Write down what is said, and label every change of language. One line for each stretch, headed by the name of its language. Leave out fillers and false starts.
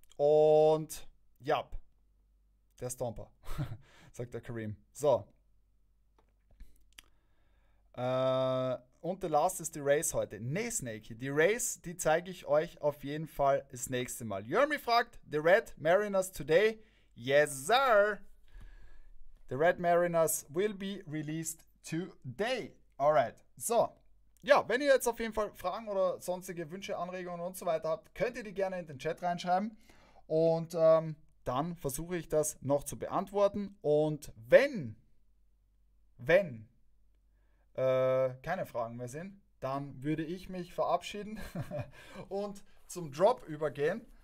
German: Und ja, der Stomper, sagt der Kareem. So. Und The Last ist die Race heute. Nee, Snakey, die Race, die zeige ich euch auf jeden Fall das nächste Mal.
English: Jeremy fragt, The Red Mariners today? Yes, sir! The Red Mariners will be released today. Alright, so.
German: Ja, wenn ihr jetzt auf jeden Fall Fragen oder sonstige Wünsche, Anregungen und so weiter habt, könnt ihr die gerne in den Chat reinschreiben. Und dann versuche ich das noch zu beantworten. Und wenn keine Fragen mehr sind, dann würde ich mich verabschieden und zum Drop übergehen.